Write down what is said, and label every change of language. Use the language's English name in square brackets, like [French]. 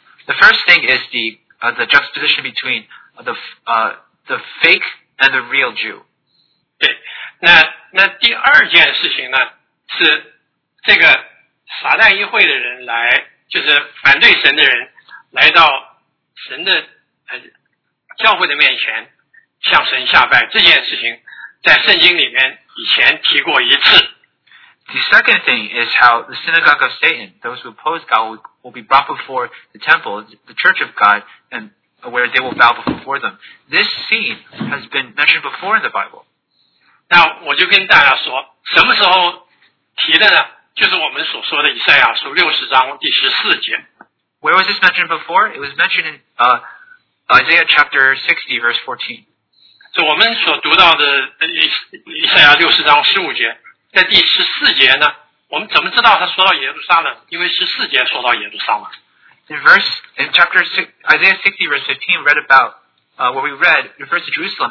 [English] The first thing is the juxtaposition between the fake and the real Jew. [Chinese] 对，那第二件事情呢，是这个撒旦议会的人来，就是反对神的人来到神的教会的面前。向神下拜这件事情在圣经里面以前提过一次。 [English] The second thing is how the synagogue of Satan, those who oppose God, will be brought before the temple, the church of God, and where they will bow before them. This scene has been mentioned before in the Bible. [Chinese] 那我就跟大家说，什么时候提的呢？就是我们所说的以赛亚书60章第14节。 [English] Where was this mentioned before? It was mentioned in Isaiah chapter 60 verse 14. [Chinese] 是我们所读到的以赛亚60章15节，在第14节呢，我们怎么知道他说到耶路撒冷？因为14节说到耶路撒冷。 [English] In chapter 6, Isaiah 60 verse 15 read about, what we read refers to Jerusalem.